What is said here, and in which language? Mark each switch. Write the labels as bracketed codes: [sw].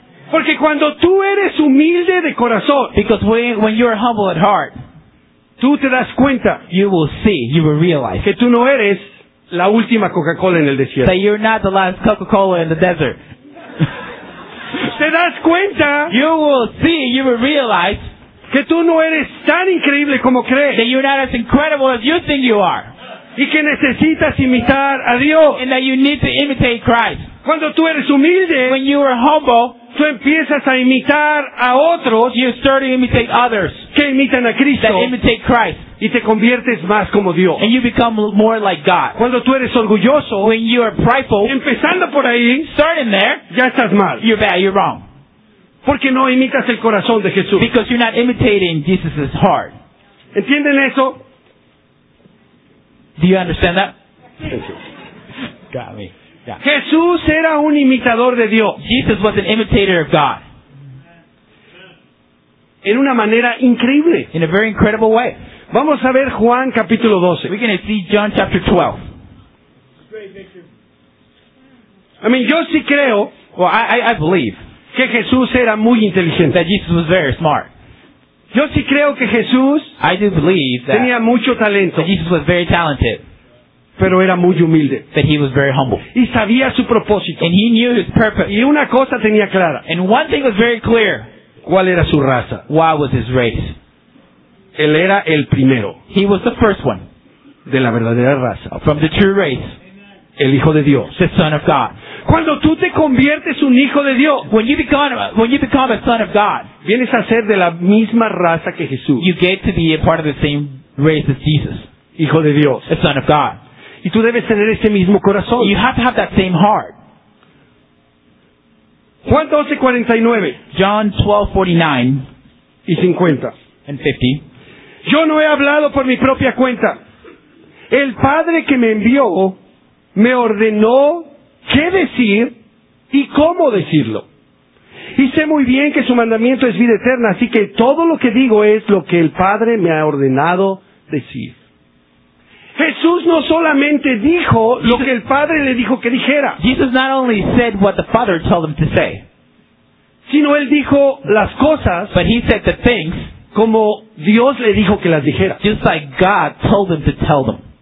[es] Porque cuando tú eres humilde de corazón, [en] because when you are humble at heart, [es] tú te das cuenta, [en] you will see, you will realize, [es] que tú no eres la última Coca-Cola en el desierto, [en] that you're not the last Coca-Cola in the desert. [es] Te das cuenta, [en] you will see, you will realize, [es] que tú no eres tan increíble como crees, [en] that you're not as incredible as you think you are, [es] y que necesitas imitar a Dios, [en] and that you need to imitate Christ. [es] Cuando tú eres humilde, [en] when you are humble, [es] tú empiezas a imitar a otros, [en] you start to imitate others, [es] que imitan a Cristo, [en] that imitate Christ, [es] y te conviertes más como Dios, [en] and you become more like God. [es] Cuando tú eres orgulloso, [en] when you are prideful, [es] empezando por ahí, [en] starting there, [es] ya estás mal, [en] you're bad, you're wrong, [es] porque no imitas el corazón de Jesús, [en] because you're not imitating Jesus' heart. [es] ¿Entienden eso? [en] Do you understand that? Got me. Yeah. [es] Jesús era un imitador de Dios. [en] Jesus was an imitator of God. [es] En una manera increíble. [en] In a very incredible way. [es] Vamos a ver Juan capítulo 12. [en] We're going to see John chapter 12. I mean, [es] yo sí creo, [en] well, I believe, [es] que Jesús era muy inteligente. [en] That Jesus was very smart. [es] Yo sí creo que Jesús, [en] I do believe that, [es] tenía mucho talento, [en] that Jesus was very talented, [es] pero era muy humilde, [en] that he was very humble, [es] y sabía su propósito, [en] and he knew his purpose, [es] y una cosa tenía clara, [en] and one thing was very clear, [es] ¿cuál era su raza? [en] What was his race? [es] Él era el primero, [en] he was the first one, [es] de la verdadera raza, [en] from the true race, [es] el Hijo de Dios, [en] the Son of God. [es] Cuando tú te conviertes un hijo de Dios, [en] when you become a son of God, [es] vienes a ser de la misma raza que Jesús. [en] You get to be a part of the same race as Jesus. [es] Hijo de Dios, [en] a son of God. [es] Y tú debes tener ese mismo corazón. [en] You have to have that same heart. [es] Juan 12:49. [en] John 12:49 [es] y 50. [en] And 50. [es] Yo no he hablado por mi propia cuenta. El Padre que me envió me ordenó qué decir y cómo decirlo. Y sé muy bien que su mandamiento es vida eterna, así que todo lo que digo es lo que el Padre me ha ordenado decir. Jesús no solamente dijo lo que el Padre le dijo que dijera. [en] Jesus not only said what the Father told him to say, [es] sino él dijo las cosas, [en] but he said the things, [es] como Dios le dijo que las dijera. [en] Just like God told him to tell them.